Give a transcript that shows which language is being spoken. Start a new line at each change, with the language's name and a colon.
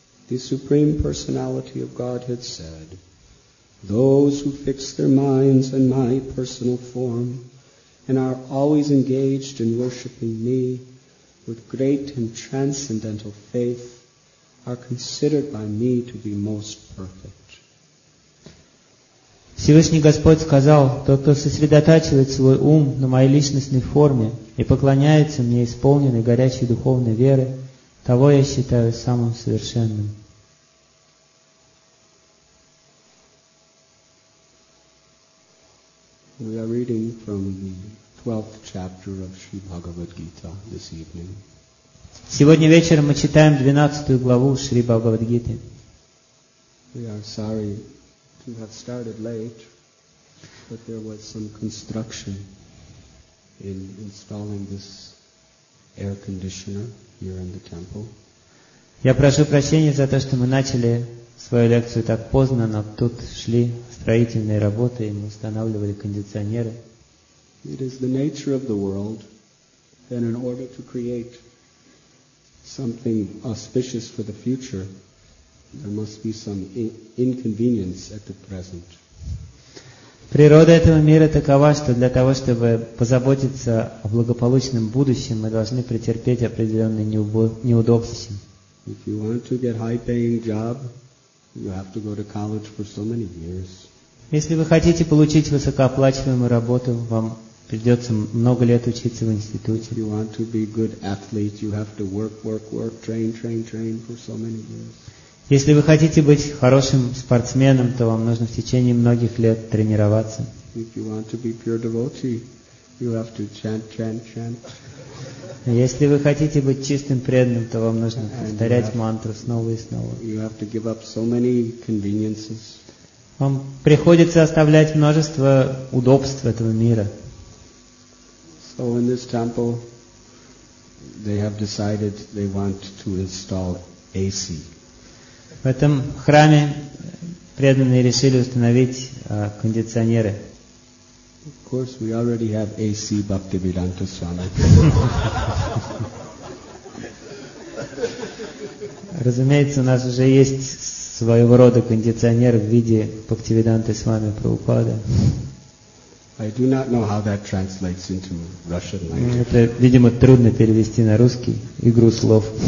English: The Supreme Personality of Godhead said, those who fix their minds on my personal form and are always engaged in worshipping me with great and transcendental faith are considered by me to be most perfect.
Russian: Всевышний Господь сказал, тот, кто сосредотачивает свой ум на моей личностной форме и поклоняется мне исполненной горячей духовной веры, того я считаю самым совершенным.
English: We are reading from the 12th chapter of Sri Bhagavad Gita this evening.
Russian: Сегодня вечером мы читаем 12-ю главу Шри Бхагавад Гиты.
English: We are sorry to have started late, but there was some construction in installing this air conditioner here in the temple.
Russian: Я прошу прощения за то, что мы начали свою лекцию так поздно, но тут шли строительные работы, и мы устанавливали кондиционеры.
English: It is the nature of the world, and in order to create something auspicious for the future, there must be some inconvenience at the present.
Russian: Природа этого мира такова, что для того, чтобы позаботиться о благополучном будущем, мы должны претерпеть определенные неудобства.
English: If you want to get high-paying job, you have to go to college for so many years.
Russian: Если вы хотите получить высокооплачиваемую работу, вам придется много лет учиться в институте.
English: If you want to be good athlete, you have to work, work, work, train, train, train for so many years.
Russian: Если вы хотите быть хорошим спортсменом, то вам нужно в течение многих лет тренироваться.
English: If you want to be pure devotee, you have to chant, chant, chant.
Russian: Если вы хотите быть чистым преданным, то вам нужно повторять мантру снова и снова.
English: You have to give up so many conveniences.
Russian: Вам приходится оставлять множество удобств этого мира.
English: So in this temple, they have decided they want to install AC.
Russian: В этом храме преданные решили установить кондиционеры.
English: Of course, we already have AC, Bhaktivedanta Swami.
Russian: Разумеется, у нас уже есть своего рода кондиционер в виде Бхактивиданты Свами Прабхупады.
English: I do not know how that translates into Russian language.
Russian: Это, видимо, трудно перевести на русский игру слов.